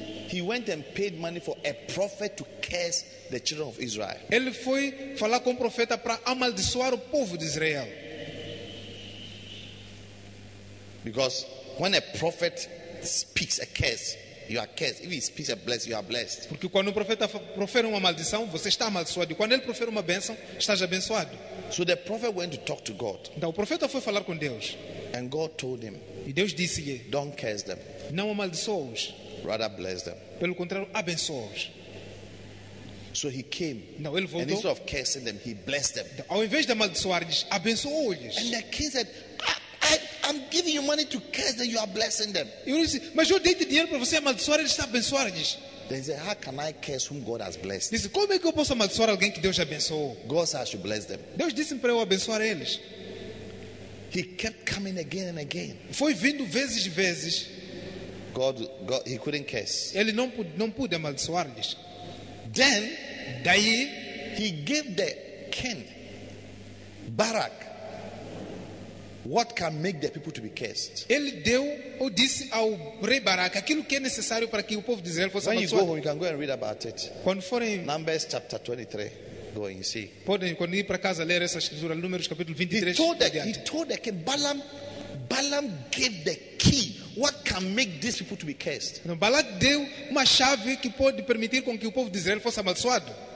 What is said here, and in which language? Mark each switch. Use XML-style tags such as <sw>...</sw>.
<en>He went and paid money for a prophet to curse the children of Israel.</en> <pt>Ele foi falar com um profeta para amaldiçoar o povo de Israel.</pt> <en>Because when a prophet speaks a curse, you are cursed. If he speaks a blessing, you are blessed.</en> <pt>Porque quando o profeta profere uma maldição, você está amaldiçoado. Quando ele profere uma bênção, estás abençoado.</pt> <en>So the prophet went to talk to God.</en> <pt>Então o profeta foi falar com Deus.</pt> <en>And God told him,</en> <pt>e Deus disse-lhe,</pt> <en>don't curse them.</en> <pt>Não amaldiçoe-os.</pt> <en>Rather bless them.</en> <pt>Pelo contrário, abençoe-os.</pt> <en>So he came.</en> <pt>Não, ele voltou.</pt> <en>And instead of cursing them, he blessed them.</en> <pt>Ao invés de amaldiçoar-lhes, abençoe-os.</pt> <en>And the king said, I'm giving you money to curse them, you are blessing them.</en> <pt>E ele disse, mas eu dei-te dinheiro para você amaldiçoar, ele está abençoar-lhes.</pt> <en>Then he said, how can I curse whom God has blessed?</en> <pt>Disse, como é que eu posso amaldiçoar alguém que Deus abençoou?</pt> <en>God said, I should bless them.</en> <pt>Deus disse para eu abençoar eles.</pt> <en>He kept coming again and again.</en> <pt>Foi vindo vezes e vezes.</pt> <en>God, he couldn't curse.</en> <pt>Ele não pôde amaldiçoar-lhes.</pt> <en>Then,</en> <pt>daí,</pt> <en>he gave the king, Barak, what can make the people to be cursed?</en> <pt>Ele deu ou disse ao rei Barak aquilo que é necessário para que o povo de Israel fosse</pt> <en>when</en> <pt>amaldiçoado.</pt> <en>You go home, you can go and read about it.</en> <pt>Quando forem,</pt> <en>Numbers chapter 23. Go and see.</en> <pt>Podem quando ir para casa ler essa escritura, Números capítulo 23.</pt> <en>He told the king, Balaam gave the key. What can make these people to be cursed?</en> <pt>No, Balak deu uma chave que pode permitir com que o povo de Israel fosse amaldiçoado.</pt>